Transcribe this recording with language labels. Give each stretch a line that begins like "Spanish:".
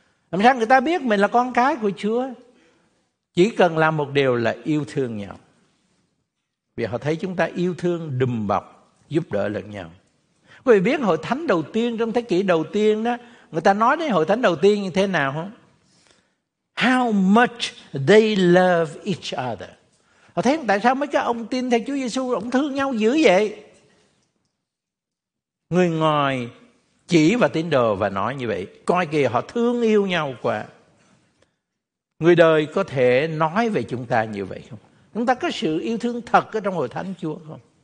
Vietnamese: Làm sao người ta biết mình là con cái của Chúa? Chỉ cần làm một điều là yêu thương nhau. Vì họ thấy chúng ta yêu thương, đùm bọc, giúp đỡ lẫn nhau. Quý vị biết hội thánh đầu tiên trong thế kỷ đầu tiên đó, người ta nói đến hội thánh đầu tiên như thế nào không?
English: How much they love each other.
Vietnamese: Họ thấy tại sao mấy cái ông tin theo Chúa Giê-xu ông thương nhau dữ vậy? Người ngoài chỉ vào tín đồ và nói như vậy. Coi kìa, họ thương yêu nhau quá. Người đời có thể nói về chúng ta như vậy không? Chúng ta có sự yêu thương thật ở trong hội thánh Chúa không?